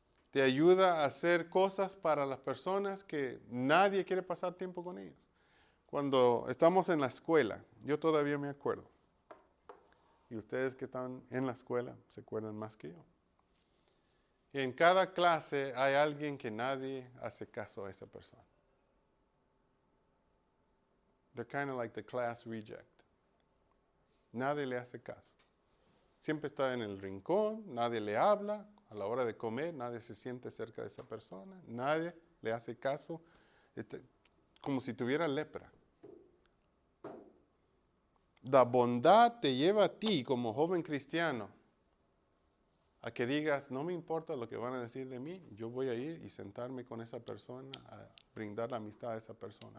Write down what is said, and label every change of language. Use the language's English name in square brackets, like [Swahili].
[Spanish] Te ayuda a hacer cosas para las personas que nadie quiere pasar tiempo con ellos. Cuando estamos en la escuela, yo todavía me acuerdo. Y ustedes que están en la escuela se acuerdan más que yo. Y en cada clase hay alguien que nadie hace caso a esa persona. [English] They're kind of like the class reject. [Spanish] Nadie le hace caso. Siempre está en el rincón, nadie le habla. A la hora de comer, nadie se siente cerca de esa persona. Nadie le hace caso. Como si tuviera lepra. La bondad te lleva a ti como joven cristiano a que digas, no me importa lo que van a decir de mí, yo voy a ir y sentarme con esa persona, a brindar la amistad a esa persona.